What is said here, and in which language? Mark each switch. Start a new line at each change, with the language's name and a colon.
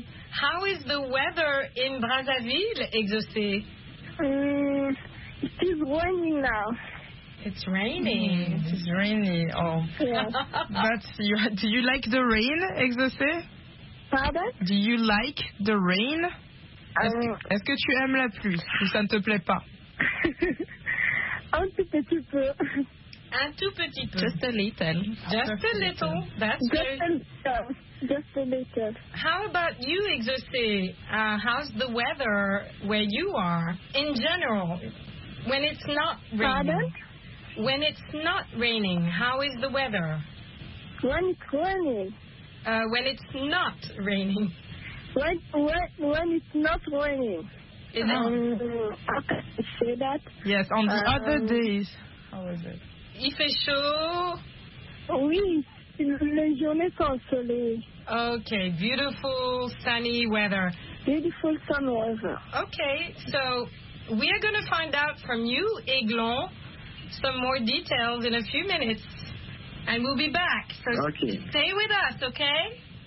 English: How is the weather in Brazzaville, exaucé? It is raining now. It's raining. It is raining. Oh. Yes. But do you like the rain, exaucé? Pardon? Do you like the rain?
French: Est-ce que tu aimes la pluie ou ça ne te plaît pas? Un tout petit peu. Un tout petit peu.
English: Just a little. Just a little. That's good. Just a little. How about you, exaucé? How's the weather where you are in general? When it's not raining. Pardon? When it's not raining, how is the weather? When it's raining. When it's not raining. When it's not raining. Is How can I say that? Yes, on the other days. How is it?
French: Il fait chaud. Oui, le journée consolée.
English: Okay, beautiful sunny weather. Beautiful sunny weather. Okay, so we are going to find out from you, Eglon, some more details in a few minutes, and we'll be back. So okay. Stay with us, okay?